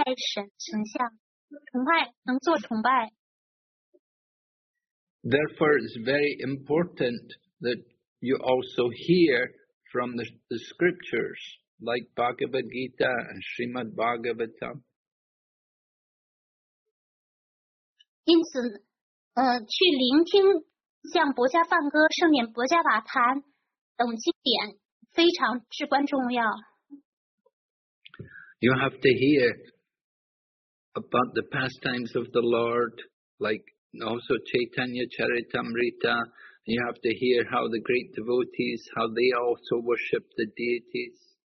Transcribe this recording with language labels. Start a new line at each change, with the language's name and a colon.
Chinese: 如果要是机械的在那里活动，这个要花很长的时间呢。应该是专注于心意专注，并且理解主太仁慈了，他能够给我们这个机会，能够让我们能够崇拜神形象，崇拜能做崇拜。
English: Therefore, it's very important that you also hear from the scriptures, like Bhagavad Gita and Srimad Bhagavatam.
Chinese: 因此，去聆听像《博伽梵歌》《圣典·博伽瓦坛》等经典，非常至关重要。
English: You have to hear about the pastimes of the Lord, like also Chaitanya Charitamrita. You have to hear how the great devotees, how they also worship the deities.